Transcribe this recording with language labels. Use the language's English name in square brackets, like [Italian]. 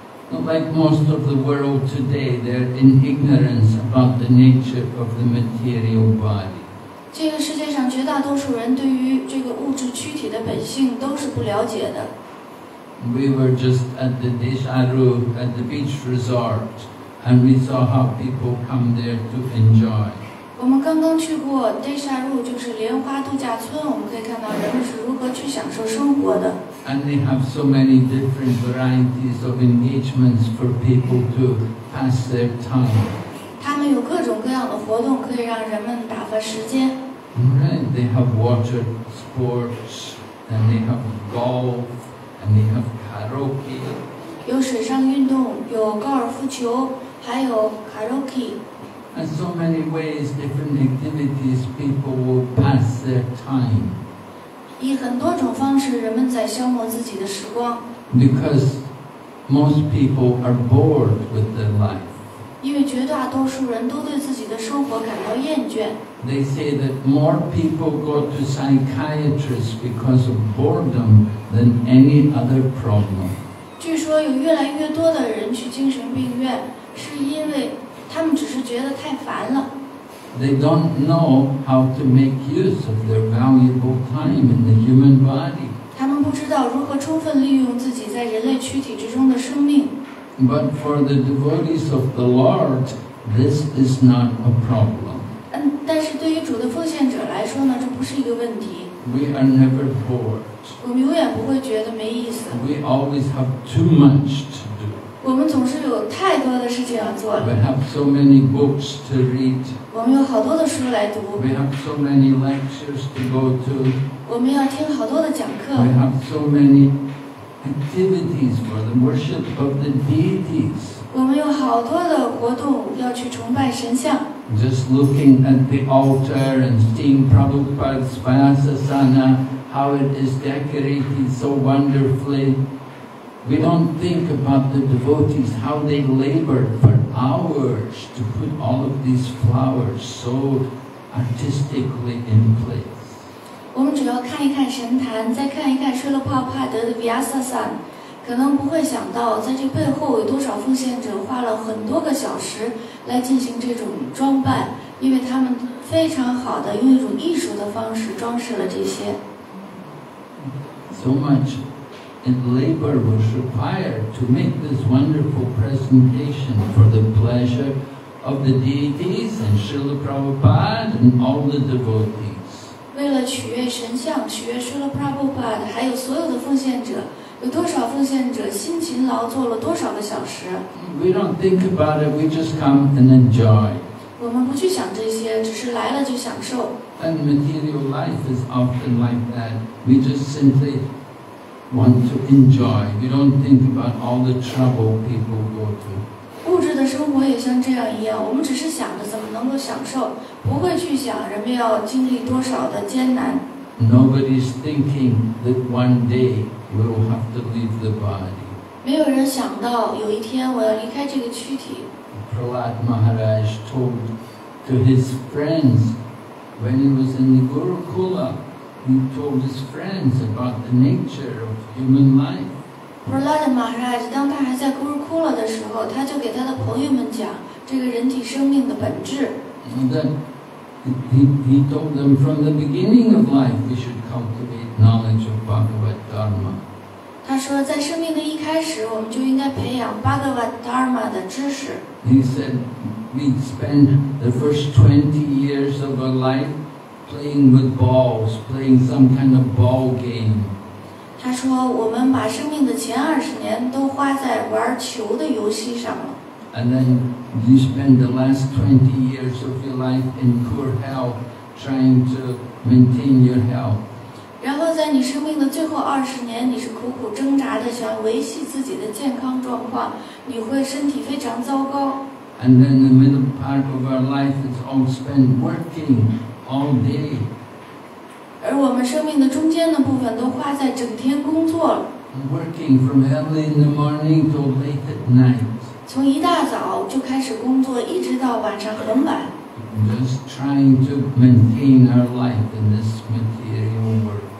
[English] Like most of the world today, they're in ignorance about the nature of the material body. [Chinese] 这个世界上绝大多数人对于这个物质躯体的本性都是不了解的。 [English] We were just at the Desharu at the beach resort, and we saw how people come there to enjoy. [Chinese] 我们刚刚去过 Desharu 就是莲花度假村，我们可以看到人们是如何去享受生活的。 [English] And they have so many different varieties of engagements for people to pass their time. [Chinese] 他们有各种各样的活动。活动可以让人们打发时间。 [English] Right, they have water sports, and they have golf, and they have karaoke. [Chinese] 有水上运动，有高尔夫球，还有 karaoke. [English] And so many ways, different activities, people will pass their time. [Chinese] 以很多种方式，人们在消磨自己的时光。 [English] Because most people are bored with their life. [Chinese] 因为绝大多数人都对自己的生活感到厌倦。 [English] They say that more people go to psychiatrists because of boredom than any other problem. [Chinese] 据说有越来越多的人去精神病院，是因为他们只是觉得太烦了。 [English] They don't know how to make use of their valuable time in the human body. [Chinese] 他们不知道如何充分利用自己在人类躯体之中的生命。 [English] But for the devotees of the Lord, this is not a problem. [Chinese] 但是对于主的奉献者来说呢，这不是一个问题。 [English] We are never bored. [Chinese] 我们永远不会觉得没意思。 [English] We always have too much to do. [Chinese] 我们总是有太多的事情要做了。 [English] We have so many books to read. [Chinese] 我们有好多的书来读。 [English] We have so many lectures to go to. [Chinese] 我们要听好多的讲课。 [English] We have so many activities for the worship of the deities. [Chinese] 我们有好多的活动要去崇拜神像。 [English] Just looking at the altar and seeing Prabhupada's Vyasasana, how it is decorated so wonderfully. We don't think about the devotees, how they labored for hours to put all of these flowers so artistically in place. [Chinese] 我们只要看一看神坛，再看一看舍勒帕帕德的 Vyasasana, 可能不会想到在这背后有多少奉献者花了很多个小时来进行这种装扮，因为他们非常好的用一种艺术的方式装饰了这些。 [English] So much labor was required to make this wonderful presentation for the pleasure of the deities and Srila Prabhupada and all the devotees. [Chinese] 为了取悦神像，取悦 Srila Prabhupada 还有所有的奉献者，有多少奉献者辛勤劳作了多少个小时？ [English] We don't think about it, we just come and enjoy. [Chinese] 我们不去想这些，只是来了就享受。 [English] And material life is often like that. We just simply want to enjoy. We don't think about all the trouble people go to. [Chinese] 物质的生活也像这样一样，我们只是想着怎么能够享受，不会去想人们要经历多少的艰难。 [English] Nobody's thinking that one day,We will have to leave the body. [Chinese] 没有人想到有一天我要离开这个躯体。 [English] Prahlad Maharaj told to his friends when he was in the Gurukula, he told his friends about the nature of human life. [Chinese] Prahlad Maharaj 当他还在 Gurukula 的时候，他就给他的朋友们讲这个人体生命的本质。 [English] And then he told them from the beginning of life we should cultivate knowledge of Bhagavad Dharma. [Chinese] 他说在生命的一开始我们就应该培养 Bhagavad Dharma 的知识。 [English] He said we spend the first 20 years of our life playing with balls, playing some kind of ball game. [Chinese] 他说我们把生命的前20年都花在玩球的游戏上了。 [English] And then you spend the last 20 years of your life in poor health, trying to maintain your health. [Chinese] 然后在你生命的最后20年，你是苦苦挣扎的想维系自己的健康状况，你会身体非常糟糕。 [English] And then the middle part of our life is all spent working all day. [Chinese] 而我们生命的中间的部分都花在整天工作了。 [English] Working from early in the morning till late at night. [Chinese] 从一大早就开始工作，一直到晚上很晚。 [English] Just trying to maintain our life in this material world.